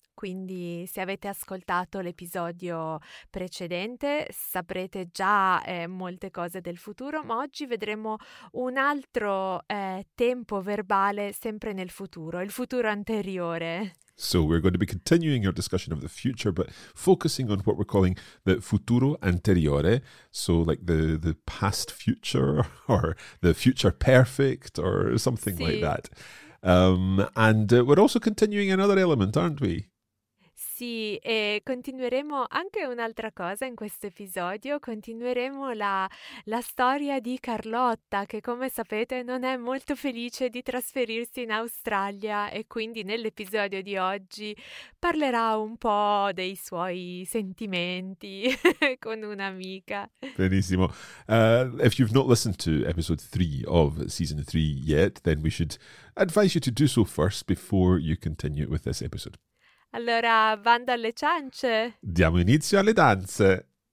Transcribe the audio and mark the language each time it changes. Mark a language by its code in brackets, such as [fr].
[it] Quindi se avete ascoltato l'episodio precedente saprete già molte cose del futuro, ma oggi vedremo un altro tempo verbale sempre nel futuro, il futuro anteriore. [en] So we're going to be continuing our discussion of the future, but focusing on what we're calling the futuro anteriore, so like the past future or the future perfect or something [it] sì. [en] like that. And we're also continuing another element, aren't we? [it] Sì, e continueremo anche un'altra cosa in questo episodio, continueremo la storia di Carlotta che, come sapete, non è molto felice di trasferirsi in Australia e quindi nell'episodio di oggi parlerà un po' dei suoi sentimenti con un'amica. Benissimo. [en] If you've not listened to episode 3 of season 3 yet, then we should advise you to do so first before you continue with this episode. [it] Allora, bando alle ciance! Diamo inizio alle danze!